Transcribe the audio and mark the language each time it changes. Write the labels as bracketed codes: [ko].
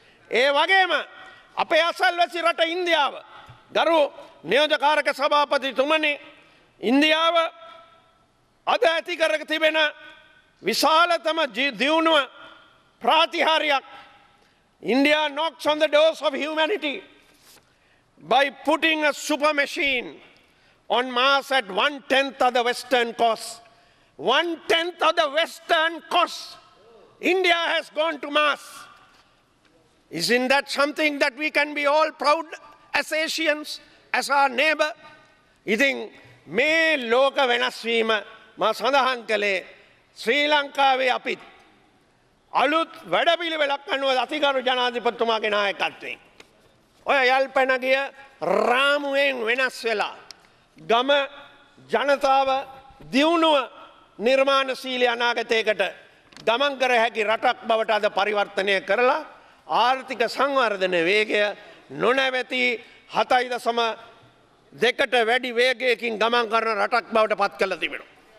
[si] ඒ වගේම අපේ අසල්වැසි රට ඉන්දියාව ගරු නියෝජකාරක සභාපතිතුමනි ඉන්දියාව අද ඇති කරග තිබෙන විශාලතම දියුණුව ප්‍රාතිහාරයක් India [en] knocks on the doors of humanity by putting a super machine on Mars at 1/10 of the western cost. 1/10 of the western cost India has gone to Mars. Isn't that something that we can be all proud as Asians, as our neighbor? [si] ඉතින් මේ ලෝක වෙනස් වීම මා සඳහන් කළේ ශ්‍රී ලංකාවේ අපිත් අලුත් වැඩපිළි වෙලක් අනුව අතිකරු ජනාධිපත්තුමාගේ නායකත්වයෙන්. ඔය යල්පැනගිය රාමුවෙන් වෙනස් වෙලා ගම ජනතාව දියුණුව නිර්මාණශීලී අනාගතයකට ගමන් කර හැකි රටක් බවට අද පරිවර්තනය කරලා ආර්ථික සංවර්ධන වේගය නොනැවති 7.2ට වැඩි වේගයකින් ගමන් කරන රටක් බවට පත් කළ තිබෙනවා.